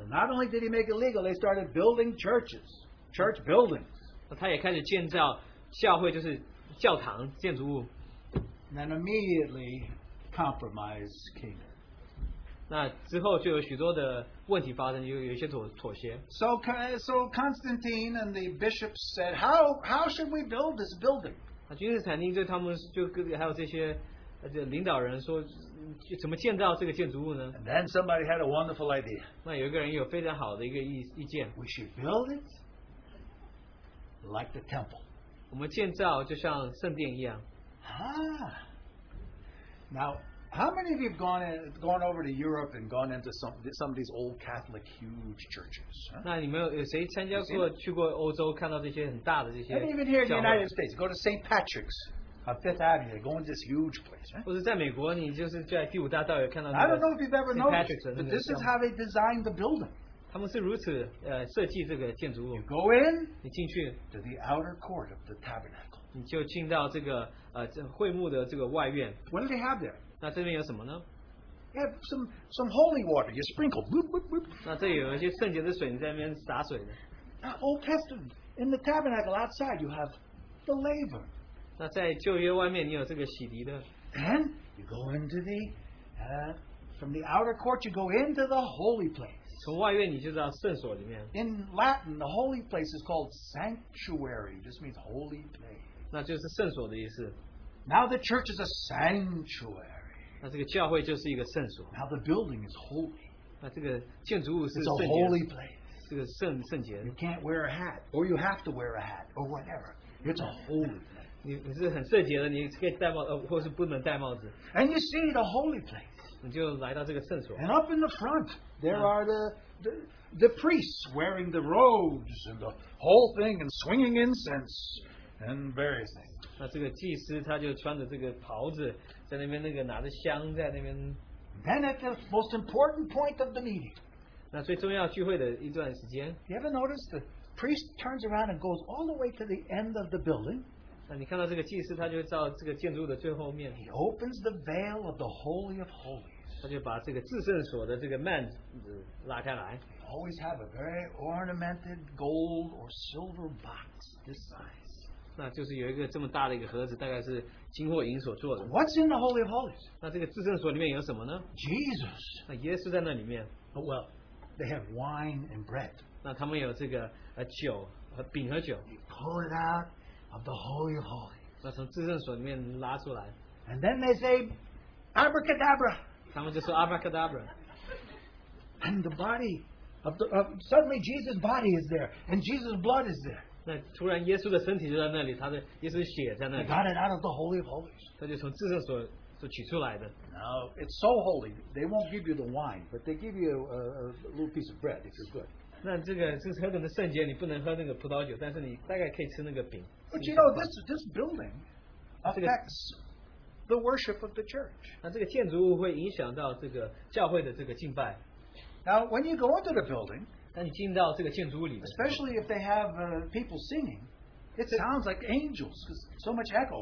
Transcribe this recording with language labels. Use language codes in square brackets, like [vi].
[en] Not only did he make it legal, they started building churches, church buildings. [zh] 他也开始建造教会,就是教堂,建筑物。 [en] Then immediately compromise came. [zh] 那之后就有许多的问题发生，有一些妥协。 [en] So Constantine and the bishops said, how should we build this building? [zh] 君士坦丁对他们就还有这些领导人说，怎么建造这个建筑物呢？ [en] And then somebody had a wonderful idea. [zh] 那有一个人有非常好的一个意见。 [en] We should build it like the temple. [zh] 我们建造就像圣殿一样。 [en] Now, how many of you have gone over to Europe and gone into some of these old Catholic huge churches? Huh? Even here in the United States, go to St. Patrick's on Fifth Avenue, they go into this huge place. Huh? I don't know if you've ever noticed, but this is how they designed the building. [zh] 他们是如此设计这个建筑物。 [en] You go in, [zh] 你进去, [en] to the outer court of the tabernacle. [zh] 你就进到这个会幕的这个外院。 [en] What do they have there? [zh] 那这边有什么呢? [en] Yeah, some holy water, you sprinkle. Boop, boop, boop. [zh] 那这有一些圣洁的水,你在那边洒水的。 [en] Old Testament, in the tabernacle outside, you have the laver. [zh] 那在旧约外面,你有这个洗涤的。 [en] And you go into the, from the outer court, you go into the holy place. [zh] 从外院你就到圣所里面。 [en] In Latin, the holy place is called sanctuary, just means holy place. [zh] 那就是圣所的意思。 [en] Now the church is a sanctuary. Now the building is holy. It's a holy place. You can't wear a hat, or you have to wear a hat, or whatever. It's a holy place. And you see the holy place. And up in the front, there are the priests wearing the robes and the whole thing and swinging incense and various things. [zh] 那这个祭司他就穿着这个袍子，在那边那个拿着香在那边 [en] Then at the most important point of the meeting, do you ever notice the priest turns around and goes all the way to the end of the building? He opens the veil of the Holy of Holies. They always have a very ornamented gold or silver box this size. [zh] 那就是有一个这么大的一个盒子, 大概是金或银所做的。 [en] What's in the Holy of Holies? [zh] 那这个至圣所里面有什么呢? [en] Jesus. [zh] 那耶稣在那里面。 [en] Oh, well, they have wine and bread. [zh] 那他们有这个酒,饼和酒。 [en] You pull it out of the Holy of Holies. [zh] 那从至圣所里面拉出来。 [en] And then they say, Abracadabra. [zh] 他们就说Abracadabra。 [en] And the body of the, suddenly Jesus' body is there, and Jesus' blood is there. [zh] 那突然耶稣的身体就在那里，他的耶稣血在那里。 [en] Got it out of the Holy of Holies. [zh] 他就从至圣所取出来的。 [en] Now it's so holy, they won't give you the wine, but they give you a little piece of bread if you're good. [zh] 那这个是何等的圣洁，你不能喝那个葡萄酒，但是你大概可以吃那个饼。 [en] But you know this building affects the worship of the church. [zh] 那这个建筑物会影响到这个教会的这个敬拜。 [en] Now when you go into the building. [zh] 但你进到这个建筑物里, [en] especially if they have people singing, it sounds like angels because so much echo.